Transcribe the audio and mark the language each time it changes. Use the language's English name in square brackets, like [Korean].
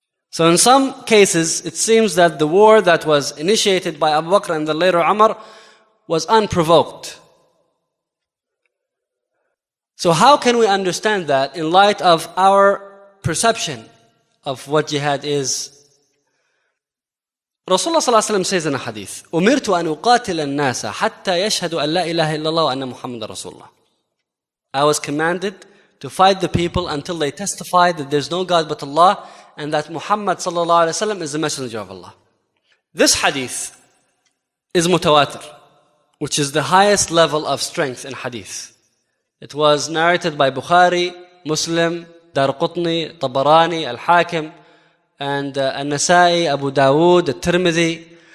[English] So in some cases, it seems that the war that was initiated by Abu Bakr and then later Umar was unprovoked. So how can we understand that in light of our perception of what jihad is? [Arabic] Rasulullah sallallahu alaihi wasallam [English] says in a hadith, [Arabic] أُمِرْتُ أَنْ أُقَاتِلَ النَّاسَ حَتَّى يَشْهَدُ أَنْ لَا إِلَهَ إِلَّا اللَّهُ وَأَنَّ مُحَمَّدَ رَسُولُ اللَّهِ. [English] I was commanded to fight the people until they testify that there's no God but Allah and that Muhammad sallallahu alaihi wasallam is the messenger of Allah. This hadith is mutawatir, which is the highest level of strength in hadith. It was narrated by Bukhari, Muslim, Darqutni, Tabarani, Al-Hakim, and An-Nasa'i, Abu Dawood, Al-Tirmidhi.